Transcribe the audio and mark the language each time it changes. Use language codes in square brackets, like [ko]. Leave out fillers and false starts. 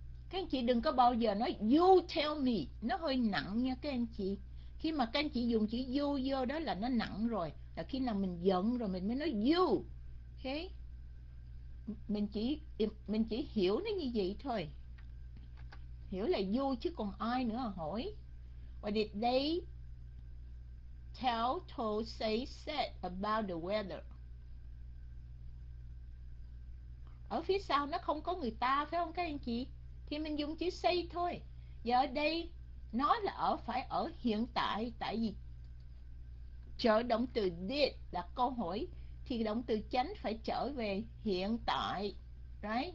[vi] Các anh chị đừng có bao giờ nói [en] you tell me, [vi] nó hơi nặng nha các anh chị. Khi mà các anh chị dùng chữ you vô đó là nó nặng rồi. Là khi nào mình giận rồi mình mới nói you. Ok. Mình chỉ hiểu nó như vậy thôi. Hiểu là vui chứ còn ai nữa à, hỏi. [en] What did they tell, told, say, said about the weather? [vi] Ở phía sau nó không có người ta, phải không các anh chị? Thì mình dùng chữ say thôi. Giờ đây nó là ở, phải ở hiện tại. Tại vì trở động từ did là câu hỏi, thì động từ chánh phải trở về hiện tại. Right?